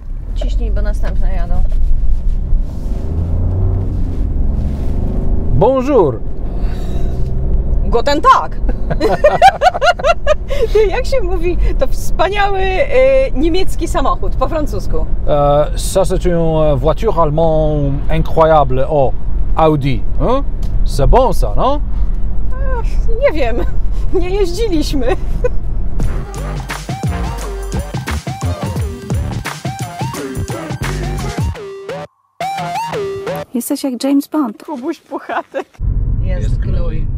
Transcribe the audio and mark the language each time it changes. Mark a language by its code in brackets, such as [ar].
[pl] wcześniej, bo następne jadą. [fr] Bonjour! [de] Guten Tag! [pl] Jak się mówi to wspaniały niemiecki samochód po francusku? [fr] Ça c'est une voiture allemande incroyable, o Audi. Hein? C'est bon ça, no? [pl] Nie wiem, nie jeździliśmy. Jesteś jak James Bond. Kubuś Puchatek. Jest Chloe.